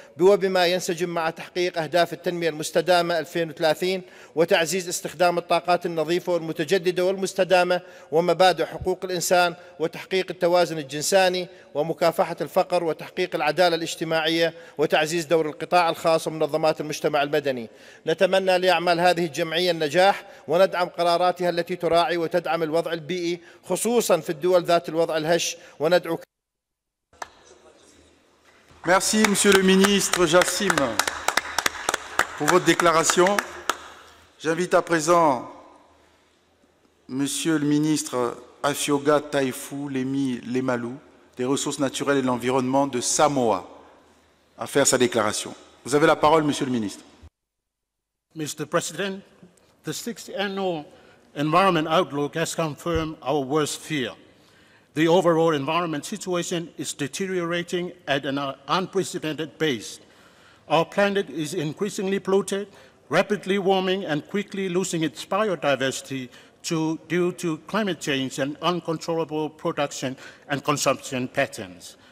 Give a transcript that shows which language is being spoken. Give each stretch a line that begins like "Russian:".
Arabic: وبما ينسجم مع تحقيق أهداف التنمية المستدامة 2030 وتعزيز استخدام الطاقات النظيفة والمتجددة والمستدامة ومبادئ حقوق الإنسان وتحقيق التوازن الجنساني ومكافحة الفقر وتحقيق العدالة الاجتماعية وتعزيز دور القطاع الخاص ومنظمات المجتمع المدني. نتمنى لأعمال هذه الجمعية النجاح وندعم قراراتها التي تراعي وتدعم الوضع البيئي خصوصا في الدول ذات الوضع الهش وندعو.
French: Merci monsieur le ministre Jassim pour votre déclaration. J'invite à présent monsieur le ministre Afioga Taifu Lemi Lemalu des ressources naturelles et de l'environnement de Samoa à faire sa déclaration. Vous avez la parole monsieur le ministre.
English: Mr. President, the sixth annual environment outlook has confirmed our worst fear. The overall environment situation is deteriorating at an unprecedented pace. Our planet is increasingly polluted, rapidly warming, and quickly losing its biodiversity due to climate change and uncontrollable production and consumption patterns.